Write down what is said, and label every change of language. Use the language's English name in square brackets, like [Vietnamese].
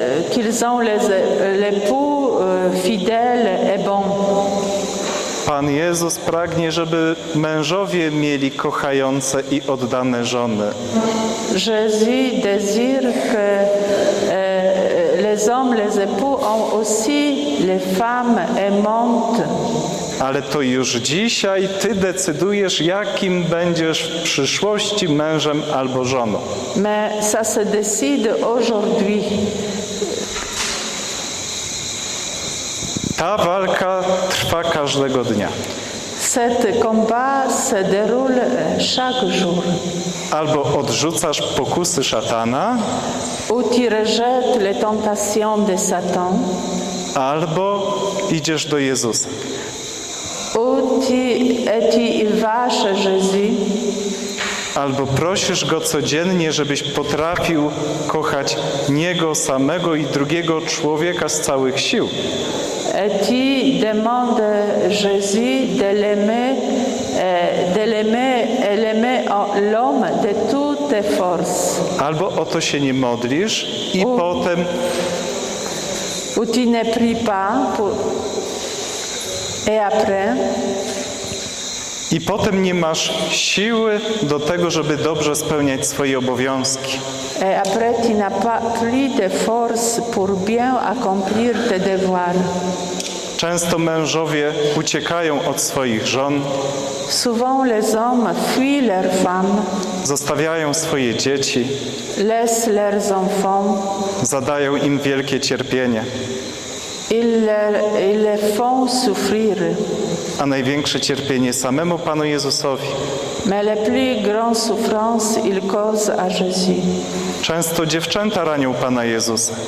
[French] Qu'ils ont les époux fidèles et bons. [Polish] Pan Jezus pragnie, żeby mężowie mieli kochające i oddane żony. [French] Jésus désire que les hommes, les époux ont aussi les femmes aimantes. [Polish] ale to już dzisiaj ty decydujesz, jakim będziesz w przyszłości mężem albo żoną. [French] Mais ça se décide aujourd'hui. [Polish] Ta walka trwa każdego dnia. [French] Cet combat se déroule chaque jour. [Polish] Albo odrzucasz pokusy szatana. [French] Ou tu rejettes les tentations de Satan. [Polish] Albo idziesz do Jezusa. [French] Ou tu et tu vas chez Jésus. [Polish] Albo prosisz Go codziennie, żebyś potrafił kochać Niego samego i drugiego człowieka z całych sił. [French] Et tu demandes Jésus de l'aimer l'homme de toutes tes forces. [Polish] Albo o to się nie modlisz i [French] ou, [Polish] potem [French] ou tu ne prie pas pour, et après [Polish] i potem nie masz siły do tego, żeby dobrze spełniać swoje obowiązki. [French] Et après tu n'as plus de force pour bien accomplir tes devoirs. [Polish] Często mężowie uciekają od swoich żon. [French] Souvent les hommes fuient leurs femmes. [Polish] Zostawiają swoje dzieci. [French] Laissent leurs enfants. [Polish] Zadają im wielkie cierpienie. [French] Ils les font souffrir. [Polish] A największe cierpienie samemu Panu Jezusowi. [French] Mais la plus grande souffrance il cause à Jésus. [Polish] Często dziewczęta ranią Pana Jezusa.